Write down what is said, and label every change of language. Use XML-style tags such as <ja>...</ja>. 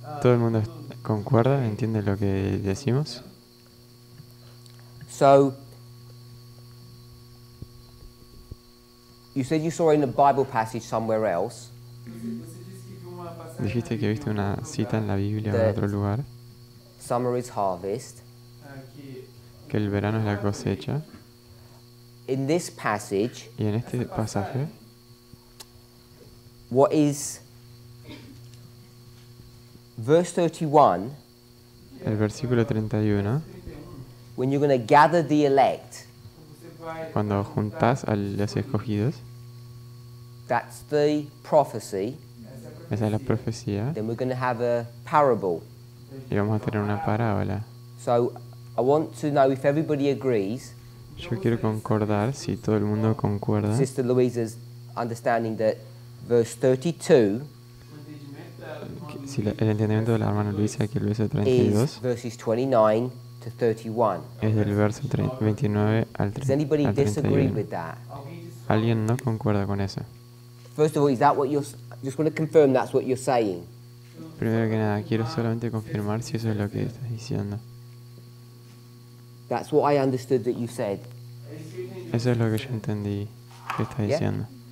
<es>Todo el mundo concuerda, entiende lo que decimos.</es> <en>So, you said you saw in a Bible passage somewhere else.</en> <es>Dijiste que viste una cita en la Biblia en otro lugar.</es> <en>Summer is harvest.</en> <es>Que el verano es la cosecha.</es> <en>In this passage,</en> <es>y en este pasaje,</es> <en>what is verse 31?</en> <es>El versículo 31.</es> <en>When you're going to gather the elect.</en> <es>Cuando juntas a los escogidos.</es> <en>That's the prophecy.</en> <es>Esa es la profecía.</es> <en>Then we're going to have a parable.</en> <es>Y vamos a tener una parábola.</es> <en>So I want to know if everybody agrees.</en> <es>Yo quiero concordar, si todo el mundo concuerda.</es> <en>Sister Louise's understanding that verse 32,</en> <es>si el entendimiento de la hermana Luisa que el verso 32</es> <en>verses 29 to 31.</en> <es>Es del verso 29 al 31.</es> <en>Does anybody disagree with that?</en> <es>¿Alguien no concuerda con eso?</es> <en>First of all, is that what you're just want to confirm that's what you're saying?</en> <es>Primero que nada, quiero solamente confirmar si eso es lo que estás diciendo.</es> <en>That's what I understood that you said.</en> <es>Eso es lo que yo entendí que estás diciendo.</es>